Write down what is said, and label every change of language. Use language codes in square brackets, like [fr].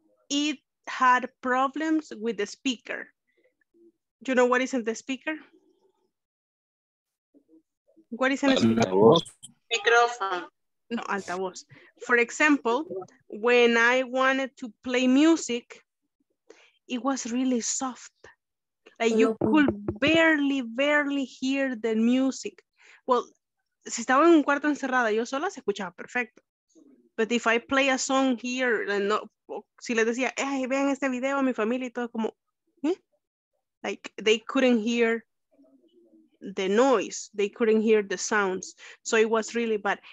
[en] It had problems with the speaker. Do you know what is in the speaker? What is in the speaker? Microphone. [es] No, altavoz. [en] For example, when I wanted to play music, it was really soft. Like you could barely hear the music. [es] Well, si estaba en un cuarto encerrada yo sola, se escuchaba perfecto. [en] But if I play a song here, and [es] no, si les decía, hey, vean este video a mi familia y todo, como, [en] like they couldn't hear the noise, they couldn't hear the sounds. So it was really bad.